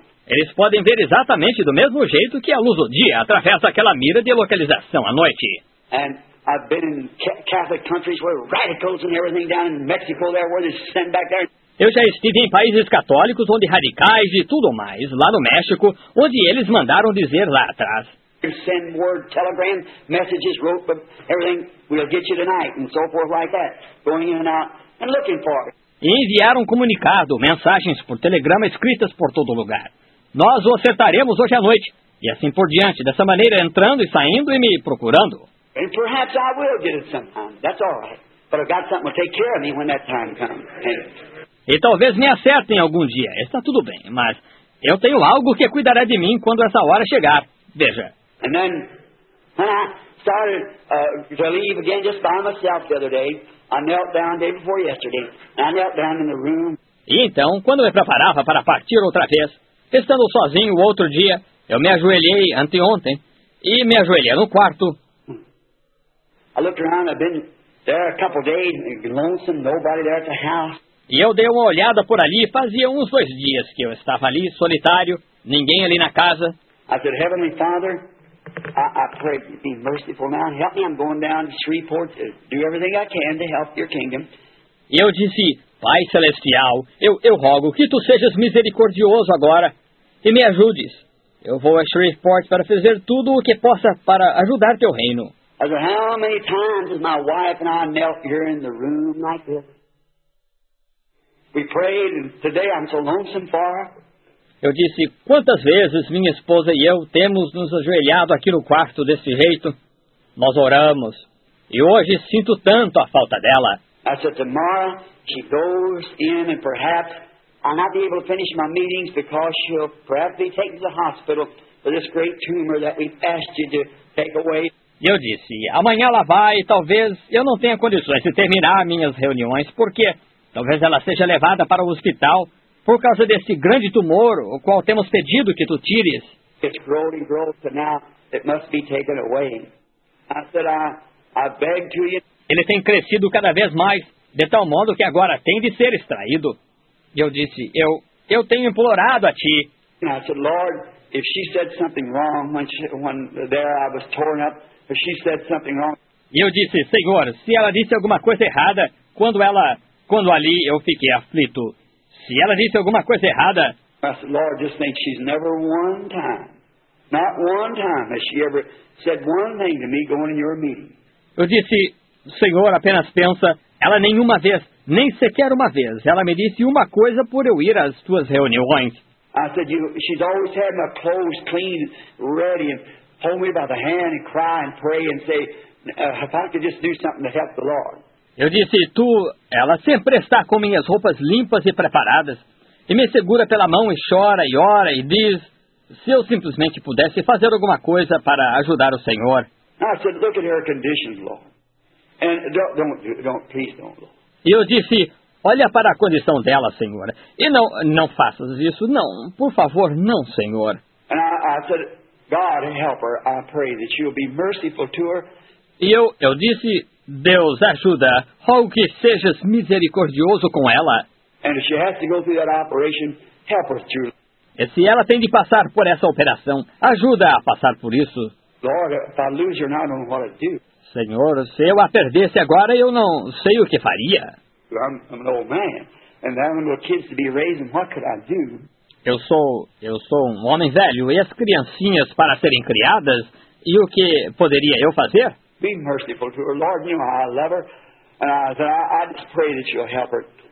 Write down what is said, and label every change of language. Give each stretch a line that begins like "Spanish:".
Portuguese: Eles podem ver exatamente do mesmo jeito que a luz do dia através daquela mira de localização à noite.
English: And I've been in Catholic countries where radicals and everything down in Mexico there where they sent back there.
Portuguese: Eu já estive em países católicos onde radicais e tudo mais, lá no México, onde eles mandaram dizer lá atrás.
English: Send word, telegram, messages, wrote, but everything, we'll get you tonight, and so forth like that, going in and out and looking for it.
Portuguese: E enviaram comunicado, mensagens por telegrama escritas por todo lugar. Nós o acertaremos hoje à noite, e assim por diante, dessa maneira, entrando e saindo e me procurando.
English: And perhaps I will get it sometime. That's all right. But I've got something to take care of me when that time comes.
Portuguese: E talvez me acertem algum dia. Está tudo bem. Mas eu tenho algo que cuidará de mim quando essa hora chegar. Veja.
English: And then, when I started to leave again just by myself the other day, I knelt down the day before yesterday. I knelt down in the room.
Portuguese: E então, quando me preparava para partir outra vez, estando sozinho o outro dia, eu me ajoelhei anteontem e me ajoelhei no quarto.
English: I looked around, I've been there a couple of days, lonesome, nobody there at the house.
Portuguese: E eu dei uma olhada por ali, fazia uns dois dias que eu estava ali, solitário, ninguém ali na casa.
English: I said, Heavenly Father, I pray you be merciful now, help me, I'm going down to Shreveport to do everything I can to help your kingdom.
Portuguese: E eu disse, Pai Celestial, eu rogo que tu sejas misericordioso agora e me ajudes. Eu vou a Shreveport para fazer tudo o que possa para ajudar teu reino.
English: I said, how many times has my wife and I knelt here in the room like this? We prayed, and today I'm so lonesome for her.
Portuguese: Eu disse, quantas vezes minha esposa e eu temos nos ajoelhado aqui no quarto desse jeito? Nós oramos, e hoje sinto tanto a falta dela.
English: I said, tomorrow she goes in, and perhaps I'll not be able to finish my meetings because she'll perhaps be taken to the hospital for this great tumor that we've asked you to take away.
Portuguese: E eu disse, amanhã ela vai e talvez eu não tenha condições de terminar minhas reuniões, porque talvez ela seja levada para o hospital por causa desse grande tumor, o qual temos pedido que tu tires.
English: It's growing, growing, so now it must be taken away. I said, I beg to you.
Portuguese: Ele tem crescido cada vez mais, de tal modo que agora tem de ser extraído. E eu disse, eu tenho implorado a ti.
English: I said, Lord, if she said something wrong when there I was torn up, if she said something wrong.
Portuguese: E eu disse, Senhor, se ela disse alguma coisa errada, quando ali eu fiquei aflito. Se ela disse alguma coisa errada...
English: I said, Lord, just think she's never one time, not one time has she ever said one thing to me going in your meeting.
Portuguese: Eu disse, Senhor, apenas pensa, ela nenhuma vez, nem sequer uma vez, ela me disse uma coisa por eu ir às tuas reuniões.
English: I said, she's always had my clothes clean, ready, and hold me by the hand and cry and pray and say, if I could just do something to help the Lord.
Portuguese: Eu disse, ela sempre está com minhas roupas limpas e preparadas, e me segura pela mão e chora e ora e diz, se eu simplesmente pudesse fazer alguma coisa para ajudar o Senhor.
English: I said, look at her condition, Lord. And don't, please don't, Lord.
Portuguese: E eu disse, olha para a condição dela, Senhor. E não, não faças isso, não. Por favor, não, Senhor.
English: And I said, God, help her. I pray that you'll be merciful to her.
Portuguese: E eu disse, Deus, ajuda. Rogo que sejas misericordioso com ela.
English: And if she has to go through that operation, help her through.
Portuguese: E se ela tem de passar por essa operação, ajuda-a a passar por isso.
English: Lord, if I lose her now, I don't know what I'd do.
Portuguese: Senhor, se eu a perdesse agora, eu não sei o que faria.
English: I'm an old man, and I have little kids to be raising. What could I do?
Portuguese: Eu sou um homem velho, e as criancinhas para serem criadas, e o que poderia eu fazer?
English: Be merciful to her. Lord, you know I love her, and I just pray that you'll help her.